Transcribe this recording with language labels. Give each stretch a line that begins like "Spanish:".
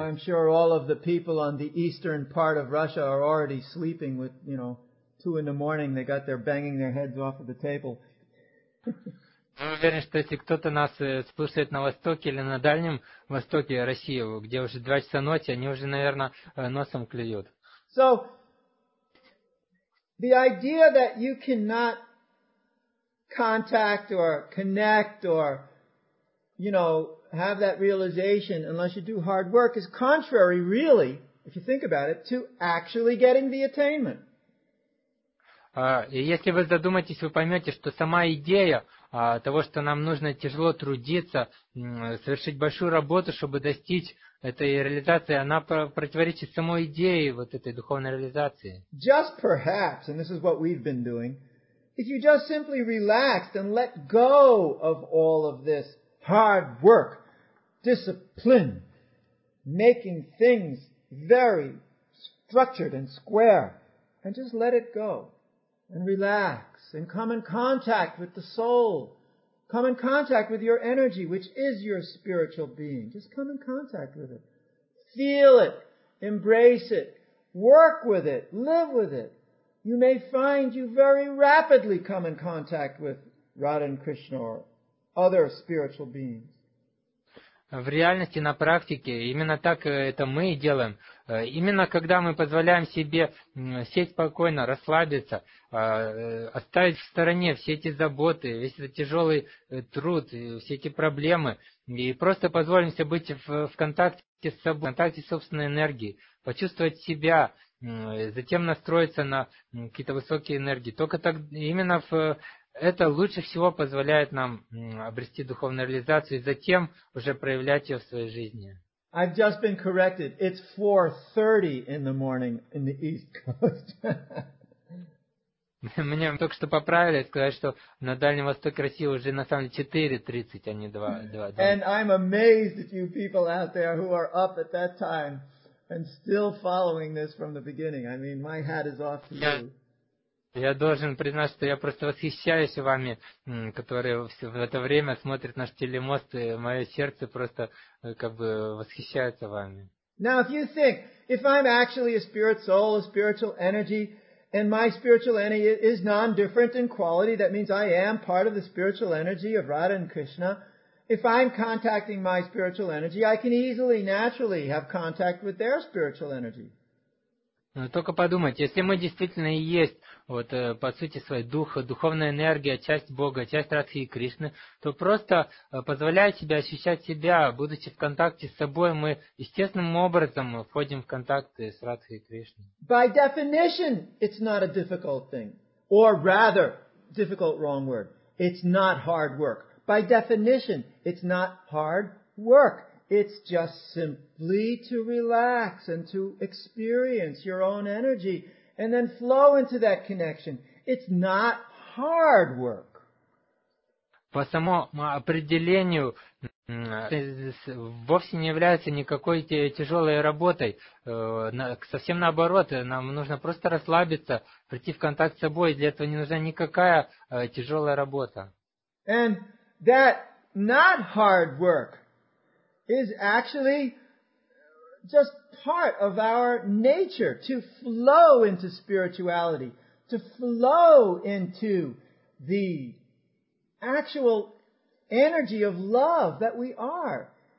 English: I'm sure all of the people on the eastern part of Russia are already sleeping with, you know, 2 in the morning, they got their banging their heads off of the table.
Russian: Я уверен, что если кто-то нас слушает на востоке или на дальнем востоке России, где уже 2 часа ночи, они уже, наверное, носом клюют.
English: So, the idea that you cannot contact or connect or, you know, have that realization unless you do hard work is contrary, really, if you think about it, to actually getting the attainment.
Russian: Если вы задумаетесь, вы поймете, что сама идея того, что нам нужно тяжело трудиться, совершить большую работу, чтобы достичь этой реализации, она противоречит самой идее вот этой духовной реализации.
English: Just perhaps, and this is what we've been doing, if you just simply relaxed and let go of all of this hard work, discipline, making things very structured and square, and just let it go. And relax and come in contact with the soul. Come in contact with your energy, which is your spiritual being. Just come in contact with it. Feel it. Embrace it. Work with it. Live with it. You may find you very rapidly come in contact with Radha and Krishna or other spiritual beings.
Russian: В реальности, на практике, именно так это мы и делаем. Именно когда мы позволяем себе сесть спокойно, расслабиться, оставить в стороне все эти заботы, весь этот тяжелый труд, все эти проблемы, и просто позволим себе быть в контакте с собой, в контакте с собственной энергией, почувствовать себя, затем настроиться на какие-то высокие энергии. Только так, именно в это лучше всего позволяет нам обрести духовную реализацию и затем уже проявлять ее в своей жизни.
English: I've just been corrected. It's 4:30 in the morning in the East Coast.
Russian: Мне только что поправили, сказать, что на Дальнем Востоке России уже на самом деле 4:30, а не 2:00.
English: And I'm amazed at you people out there who are up at that time and still following this from the beginning. I mean, my hat is off to you.
Russian: Я должен признать, что я просто восхищаюсь вами, которые в это время смотрят наш телемост, и мое сердце просто как бы восхищается вами.
English: Now, if you think, if I'm actually a spirit soul, a spiritual energy, and my spiritual energy is non-different in quality, that means I am part of the spiritual energy of Radha and Krishna, if I'm contacting my spiritual energy, I can easily, naturally have contact with their spiritual energy.
Russian: Только подумайте, если мы действительно и есть вот по сути своей дух, духовная энергия, часть Бога, часть Радхи и Кришны, то просто позволяя себе ощущать себя, будучи в контакте с собой, мы естественным образом входим в контакт с Радхи и Кришной.
English: By definition, it's not a difficult thing. Or rather, difficult, wrong word. It's not hard work. By definition, it's not hard work. It's just simply to relax and to experience your own energy and then flow into that connection. It's not hard work.
Russian: По самому определению, вовсе не является никакой тяжелой работой. Совсем наоборот, нам нужно просто расслабиться, прийти в контакт с собой. Для этого не нужна никакая тяжелая работа.
English: And that not hard work is actually just part of our nature to flow into spirituality, to flow into the actual energy of love that we are.